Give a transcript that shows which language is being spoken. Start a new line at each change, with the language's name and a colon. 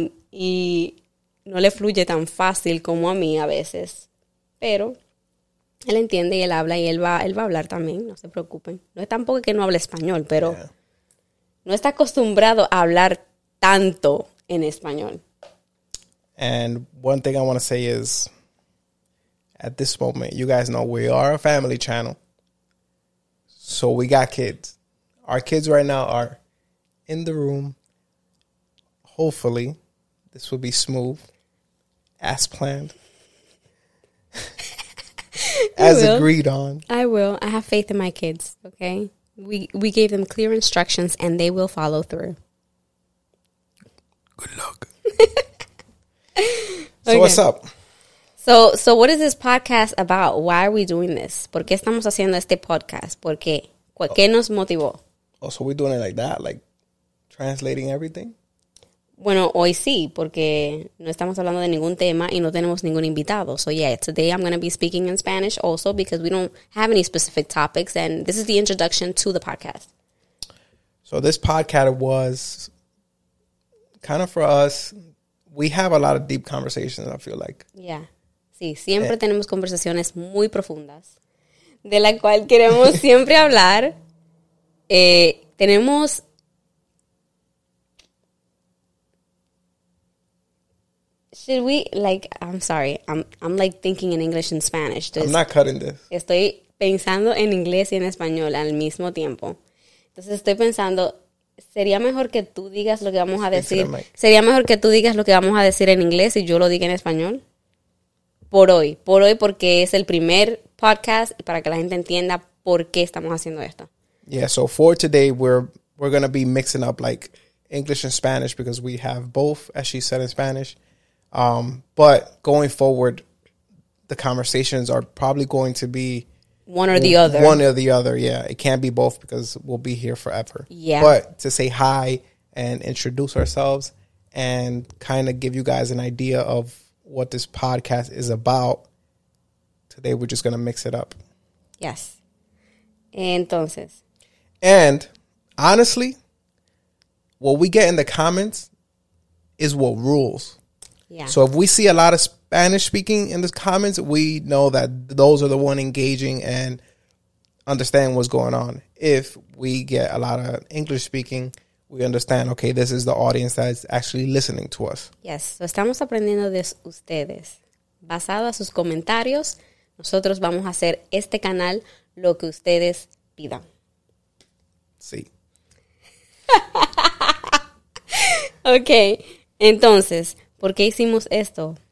Spanish: Y no le fluye tan fácil como a mí a veces, pero él entiende y él habla y él va a hablar también, no se preocupen. No es tampoco que no hable español, pero no está acostumbrado a hablar tanto en español.
English: And one thing I want to say is, at this moment, you guys know we are a family channel. So we got kids. Our kids right now are in the room. Hopefully, this will be smooth, as planned. As agreed on. I will. I have faith in my kids, okay? We gave them clear instructions, and they will follow through. Good luck. Okay. So what's up? So what is this podcast about? Why are we doing this?
Spanish: ¿Por qué estamos haciendo este podcast? ¿Por qué? ¿Qué nos motivó?
English: Oh, so we're doing it like that? Like translating everything?
Spanish: Bueno, hoy sí, porque no estamos hablando de ningún tema y no tenemos ningún invitado.
English: So, yeah, today I'm going to be speaking in Spanish also because we don't have any specific topics. And this is the introduction to the podcast. So, this podcast was kind of for us. We have a lot of deep conversations, I feel like. Yeah.
Spanish: Sí, siempre tenemos conversaciones muy profundas, de la cual queremos siempre hablar.
English: Tenemos Should we, like, I'm sorry, I'm like thinking in English and Spanish. Just, I'm not cutting this.
Spanish: Estoy pensando en inglés y en español al mismo tiempo. Entonces estoy pensando, sería mejor que tú digas lo que vamos a decir. Sería mejor que tú digas lo que vamos a decir en inglés y yo lo diga en español. Por hoy porque es el primer podcast para que la gente entienda por qué estamos haciendo esto.
English: Yeah, so for today we're going to be mixing up like English and Spanish because we have both, as she said, in Spanish. But going forward, the conversations are probably going to be one or the other. Yeah. It can't be both because we'll be here forever. Yeah. But to say hi and introduce ourselves and kind of give you guys an idea of what this podcast is about, Today, we're just going to mix it up. Yes. Entonces. And honestly, what we get in the comments is what rules. Yeah. So if we see a lot of Spanish speaking in the comments, we know that those are the one engaging and understand what's going on. If we get a lot of English speaking, we understand, okay, this is the audience that is actually listening to us. Yes, so
Spanish: estamos aprendiendo de ustedes. Basado a sus comentarios, nosotros vamos a hacer este canal lo que ustedes pidan. Sí. Okay, entonces, ¿por qué hicimos esto?